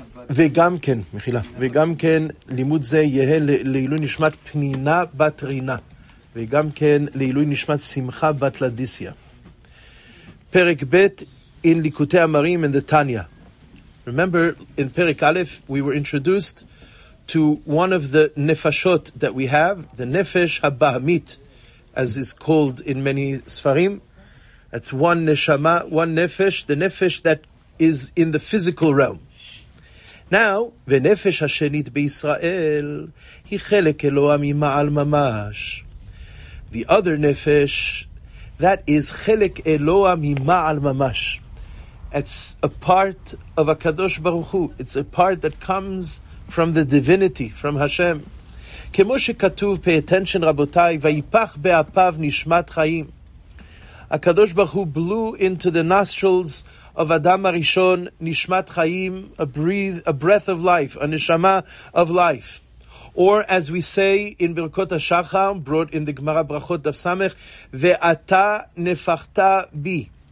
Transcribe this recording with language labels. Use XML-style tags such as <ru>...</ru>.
<he>וגם כן, מחילה, וגם כן לימוד זה יהיה לעילוי נשמת פנינה בת רינה, וגם כן לעילוי נשמת שמחה בת לדיסיה.</he> <en>פרק ב' in ליקוטי אמרים in the Tanya. Remember, in פרק א', we were introduced to one of the נפשות that we have, the נפש הבאמית, as is called in many ספרים. That's one neshama, one נפש, the נפש that is in the physical realm.</en> <he>Now, ונפש השנית בישראל היא חלק אלוה ממעל ממש.</he> <en>The other נפש, that is</en> <he>חלק אלוה ממעל ממש.</he> <en>It's a part of הקדוש ברוך הוא. It's a part that comes from the divinity, from Hashem.</en> <he>כמו שכתוב,</he> <en>pay attention</en> <he>רבותיי, ויפח באפיו נשמת חיים.</he> <en>הקדוש ברוך הוא blew into the nostrils of Adam Arishon, Nishmat Chaim, a breath of life, a neshama of life. Or as we say in Birkot HaShachar, brought in the Gemara Brachot Daf Samech,</en> <he>Ve'ata nefachta bi.</he>